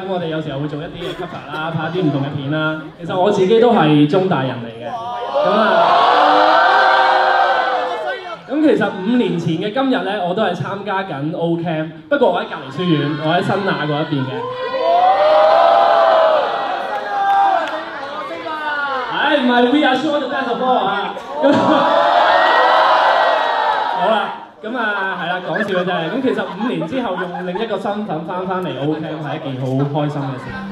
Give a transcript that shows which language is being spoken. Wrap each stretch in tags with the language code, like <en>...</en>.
<yue>咁我哋有时候会做一啲嘅 cover 啦，拍一啲唔同嘅片啦。其实我自己都系中大人嚟嘅。咁啊，咁其实五年前嘅今日咧，我都系参加紧 OCam， 不过我喺隔篱书院，我喺新亚嗰一边嘅。我识嘛？唉，唔系</yue> <en>，We are sure the best of all 啊。</en> <yue>好啦。咁啊，係啦，講笑嘅啫。咁其實五年之後用另一個身份翻翻嚟 OCam 係一件好開心嘅事。</yue>